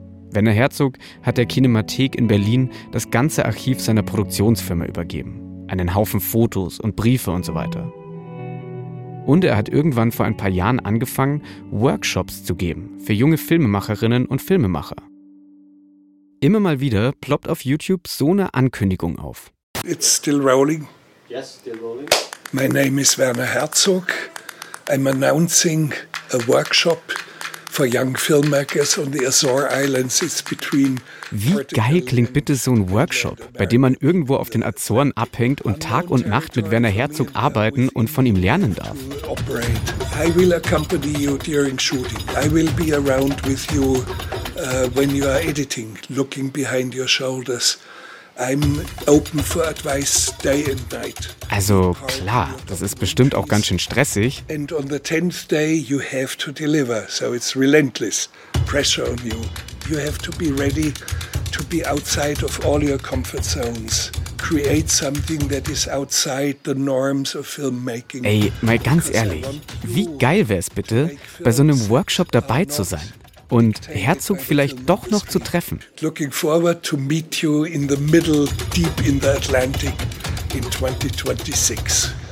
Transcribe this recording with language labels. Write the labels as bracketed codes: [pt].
[de] Werner Herzog hat der Kinemathek in Berlin das ganze Archiv seiner Produktionsfirma übergeben, einen Haufen Fotos und Briefe und so weiter. Und er hat irgendwann vor ein paar Jahren angefangen, Workshops zu geben für junge Filmemacherinnen und Filmemacher. Immer mal wieder ploppt auf YouTube so eine Ankündigung auf. [en] It's still rolling. Yes, still rolling. My name is Werner Herzog. I'm announcing a workshop for young filmmakers on the Azore Islands. It's between. [de] Wie geil klingt bitte so ein Workshop, bei dem man irgendwo auf den Azoren abhängt und Tag und Nacht mit Werner Herzog arbeiten und von ihm lernen darf? [en] I will accompany you during shooting. I will be around with you when you are editing, looking behind your shoulders. I'm open for advice day and night. [de] Also klar, das ist bestimmt auch ganz schön stressig. [en] And on the 10th day you have to deliver, so it's relentless pressure on you. You have to be ready to be outside of all your comfort zones. Create something that is outside the norms of filmmaking. [de] Ey, mal ganz ehrlich, wie geil wäre es bitte, bei so einem Workshop dabei zu sein? Und Herzog vielleicht doch noch zu treffen. [en] Looking forward to meet you in the middle, deep in the Atlantic in 2026.